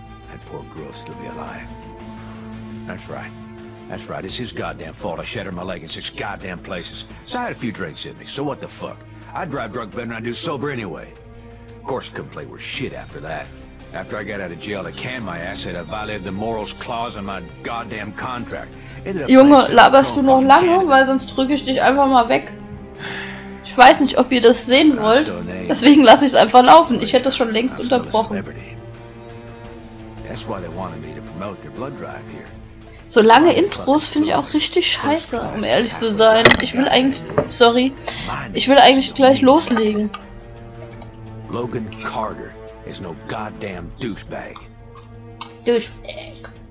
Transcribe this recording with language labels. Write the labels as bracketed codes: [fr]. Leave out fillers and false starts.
[en] That poor girl still be alive. That's right. That's right. It's his goddamn fault. I shattered my leg in 6 goddamn places. So I had a few drinks in me. So what the fuck? I drive drunk better than I do sober anyway. Of course, couldn't play worse shit after that. After I got out of jail, I canned my ass. I violated the morals clause on my goddamn contract. [de] Junge, laberst du noch lange? Weil sonst drücke ich dich einfach mal weg. Ich weiß nicht, ob ihr das sehen wollt. Deswegen lasse ich es einfach laufen. Ich hätte es schon längst unterbrochen. [en] That's why they wanted me to promote their blood drive here. [de] So lange Intros finde ich auch richtig scheiße, um ehrlich zu sein. Ich will eigentlich gleich loslegen. [en] Logan Carter is no goddamn douchebag. Douchebag.